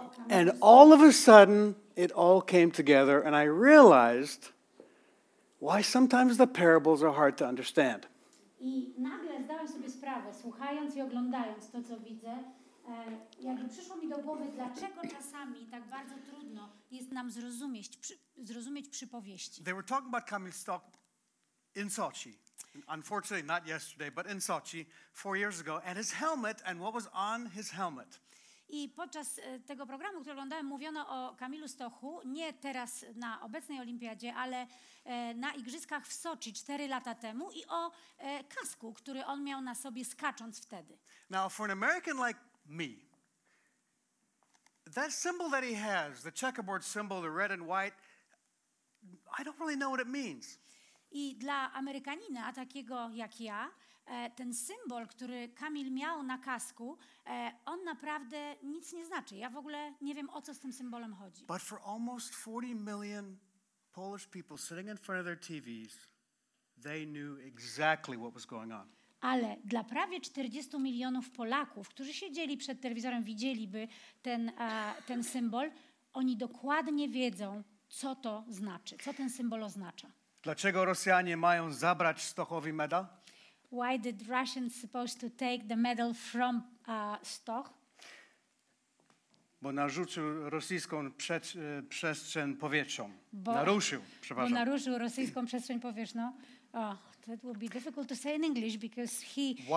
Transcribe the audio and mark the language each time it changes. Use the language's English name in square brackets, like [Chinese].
[English] And all of a sudden, it all came together, and I realized why sometimes the parables are hard to understand. [Polish] I nagle zdałem sobie sprawę, słuchając i oglądając to, co widzę, jakby przyszło mi do głowy, dlaczego czasami tak bardzo trudno jest nam zrozumieć przypowieści. [English] They were talking about Kamil Stock in Sochi. Unfortunately, not yesterday, but in Sochi, 4 years ago, and his helmet, and what was on his helmet. [Polish] I podczas tego programu, który oglądałem, mówiono o Kamilu Stochu, nie teraz na obecnej olimpiadzie, ale na igrzyskach w Sochi 4 lata temu i o kasku, który on miał na sobie skacząc wtedy. [English] Now, for an American like me, that symbol that he has, the checkerboard symbol, the red and white, I don't really know what it means. [Polish] I dla Amerykanina, takiego jak ja, ten symbol, który Kamil miał na kasku, on naprawdę nic nie znaczy. Ja w ogóle nie wiem, o co z tym symbolem chodzi. [English] But for almost 40 million Polish people sitting in front of their TVs, they knew exactly what was going on. [Polish] Ale dla prawie 40 milionów Polaków, którzy siedzieli przed telewizorem, widzieliby ten symbol, oni dokładnie wiedzą, co to znaczy, co ten symbol oznacza. Dlaczego Rosjanie mają zabrać Stochowi medal? [English] Why did Russians supposed to take the medal from Stoch? [Polish] Bo narzucił rosyjską przestrzeń powietrzną. Naruszył rosyjską przestrzeń powietrzną. [English] Oh, that would be difficult to say in English because he.